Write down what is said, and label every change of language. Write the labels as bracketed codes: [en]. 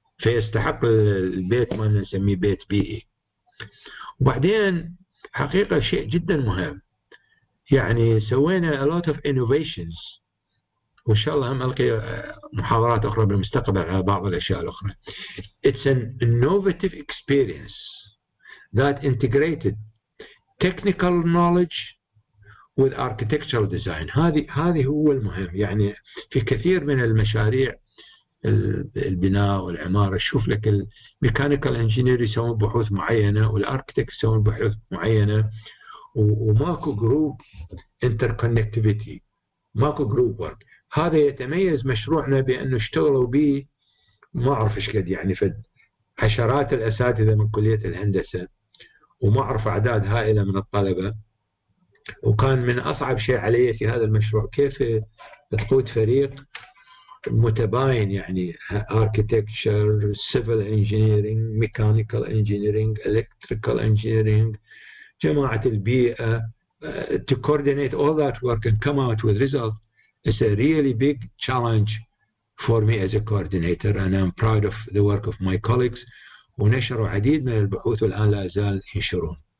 [ar] فيستحق البيت ما نسميه بيت بيئي. وبعدين حقيقة شيء جدا مهم, يعني سوينا [en] a lot of innovations, [ar] وإن شاء الله هم ألقي محاضرات أخرى بالمستقبل على بعض الأشياء الأخرى. [en] It's an innovative experience that integrated technical knowledge with architectural design. [ar] هذه هو المهم. يعني في كثير من المشاريع البناء والعمارة, شوف لك الميكانيكال انجينير يسوون بحوث معينة والاركتكت يسوون بحوث معينة, وماكو جروب انتركونكتيفيتي, ماكو جروب ورك. هذا يتميز مشروعنا بأنه اشتغلوا به ما أعرف إيش قد, يعني فد عشرات الأساتذة من كلية الهندسة, وما أعرف أعداد هائلة من الطلبة. وكان من أصعب شيء علي في هذا المشروع كيف تقود فريق متباين, يعني architecture, civil engineering, mechanical engineering, electrical engineering, جماعة البيئة, [en] to coordinate all that work and come out with result. It's a really big challenge for me as a coordinator, and I'm proud of the work of my colleagues. [ar] ونشروا عديد من البحوث والآن لا زال ينشرون.